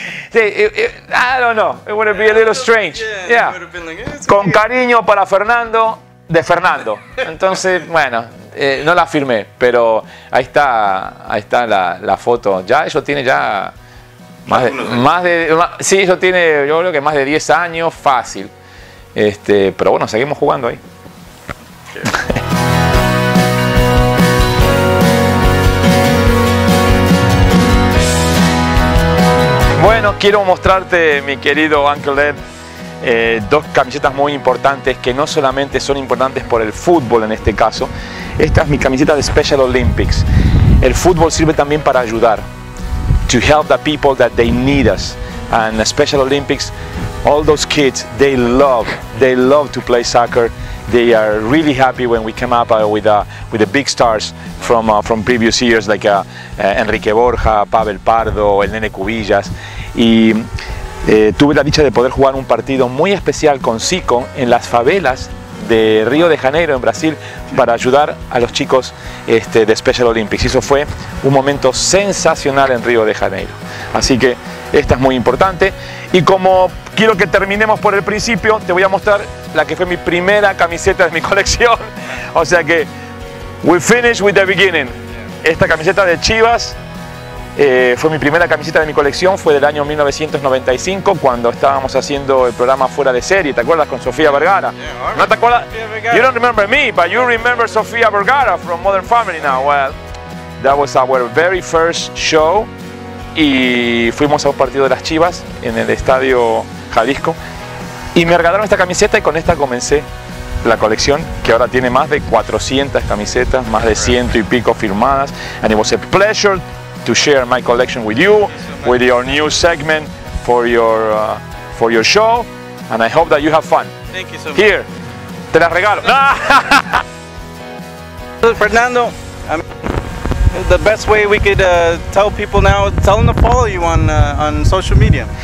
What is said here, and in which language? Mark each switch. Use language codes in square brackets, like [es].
[en] Sí, I don't know, it would be a little strange. Yeah. [es] Con cariño para Fernando, de Fernando. Entonces, bueno, no la firmé, pero ahí está la foto. Ya eso tiene ya yo creo que más de 10 años fácil. Pero bueno, seguimos jugando ahí. Bueno, quiero mostrarte, mi querido Uncle Ed, dos camisetas muy importantes, que no solamente son importantes por el fútbol en este caso. Esta es mi camiseta de Special Olympics. El fútbol sirve también para ayudar. [en] To help the people that they need us. And the Special Olympics, all those kids, they love to play soccer. They are really happy when we come up with the big stars from previous years, like Enrique Borja, Pavel Pardo, el Nene Cubillas. [es] Y tuve la dicha de poder jugar un partido muy especial con Zico en las favelas de Río de Janeiro, en Brasil, para ayudar a los chicos de Special Olympics. Y eso fue un momento sensacional en Río de Janeiro. Así que esta es muy importante. Y como quiero que terminemos por el principio, te voy a mostrar la que fue mi primera camiseta de mi colección. O sea que, [en] we finish with the beginning. [es] Esta camiseta de Chivas fue mi primera camiseta de mi colección. Fue del año 1995, cuando estábamos haciendo el programa Fuera de Serie. ¿Te acuerdas? Con Sofía Vergara. ¿No te acuerdas? [en] You don't remember me, but you remember Sofía Vergara from Modern Family now. Well, that was our very first show. [es] Y fuimos a un partido de las Chivas en el Estadio Jalisco. Y me regalaron esta camiseta, y con esta comencé la colección, que ahora tiene más de 400 camisetas, más de 100 y pico firmadas. [en] And it was a pleasure to share my collection with you, with your new segment for your show. And I hope that you have fun. Thank you so much. Here, [es] te la regalo. Fernando. [en] The best way we could tell people now, tell them to follow you on social media.